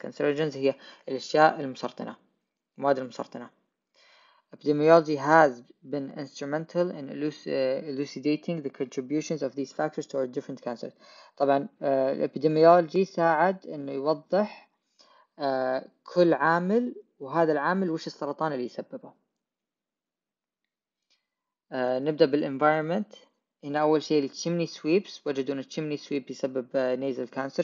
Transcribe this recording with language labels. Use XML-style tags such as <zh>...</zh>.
<ar>carcinogens هي الأشياء المسرطنة، المواد المسرطنة.</ar> <en>epidemiology has been instrumental in elucidating the contributions of these factors toward different cancers.</en> <ar>طبعا epidemiology ساعد إنه يوضح كل عامل وهذا العامل وش السرطان اللي يسببه. نبدأ بالenvironment. هنا أول شيء الشيمني سويبس، وجدوا أن الشيمني سويب يسبب نيزل كانسر.</ar>